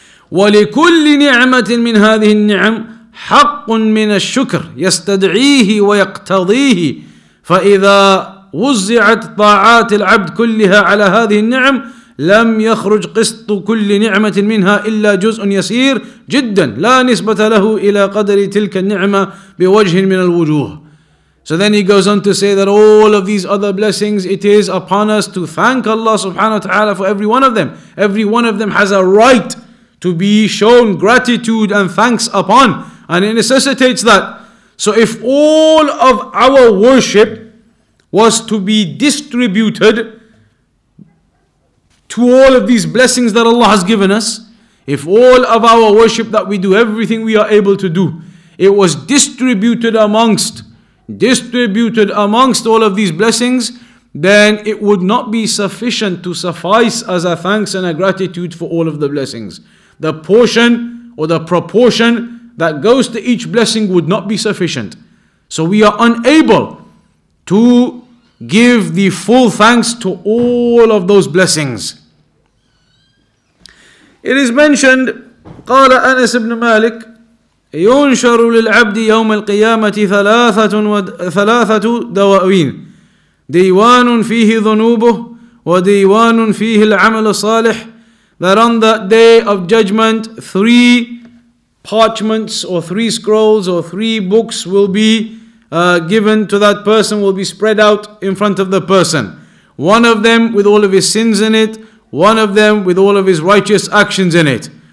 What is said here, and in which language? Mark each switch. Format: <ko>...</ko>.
<ar>ولكل نعمة من هذه النعم حق من الشكر يستدعيه ويقتضيه فإذا وزعت طاعات العبد كلها على هذه النعم لم يخرج قسط كل نعمة منها إلا جزء يسير جدا لا نسبة له إلى قدر تلك النعمة بوجه من الوجوه.</ar> <en>So then he goes on to say that all of these other blessings, it is upon us to thank Allah subhanahu wa ta'ala for every one of them. Every one of them has a right to be shown gratitude and thanks upon, and it necessitates that. So if all of our worship was to be distributed to all of these blessings that Allah has given us, if all of our worship that we do, everything we are able to do, it was distributed amongst all of these blessings, then it would not be sufficient to suffice as a thanks and a gratitude for all of the blessings. The portion or the proportion that goes to each blessing would not be sufficient. So we are unable to give the full thanks to all of those blessings. It is mentioned,</en> <ar>قال أنس بن مالك ينشر للعبد يوم القيامة ثلاثة دواوين ديوان فيه ذنوبه وديوان فيه العمل الصالح.</ar> <en>That on the day of judgment, three parchments or three scrolls or three books will be given to that person, will be spread out in front of the person. One of them with all of his sins in it, one of them with all of his righteous actions in it.</en>